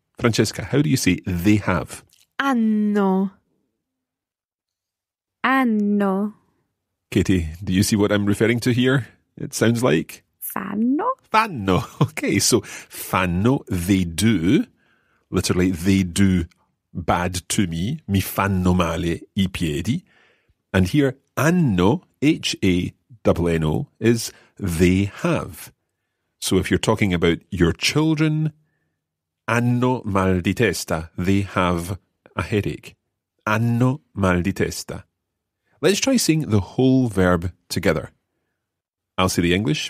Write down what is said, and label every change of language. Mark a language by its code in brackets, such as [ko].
[en] Francesca, how do you say they have? [it] Hanno. Hanno. [en] Katie, do you see what I'm referring to here? It sounds like? [it] Fanno. Fanno. [en] Okay, so fanno, they do. Literally, they do bad to me, [it] mi fanno male I piedi. [en] And here, hanno, H-A-N-N-O, is they have. So if you're talking about your children, [it] hanno mal di testa, [en] they have a headache. [it] Hanno mal di testa. [en] Let's try saying the whole verb together. I'll say the English.